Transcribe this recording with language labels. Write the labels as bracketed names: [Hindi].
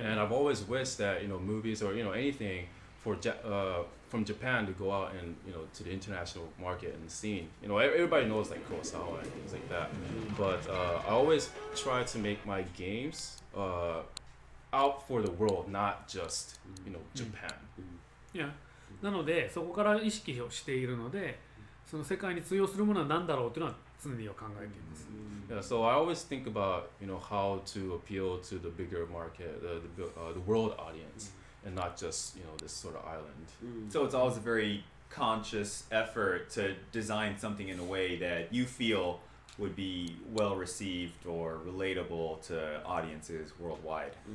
[English] And I've always wished that, you know, movies or, you know, anything for from Japan to go out and, you know, to the international market and scene. You know, everybody knows like Kurosawa and things like that. But I always try to make my games out for the world, not just, you know, Japan. Yeah. [Japanese] なので、そこから意識をしているので、 その世界に通用するものは何だろうというのは常に考えています。 [English] Yeah, so I always think about, you know, how to appeal to the bigger market, the world audience, and not just, you know, this sort of island. So it's always a very conscious effort to design something in a way that you feel would be well received or relatable to audiences worldwide.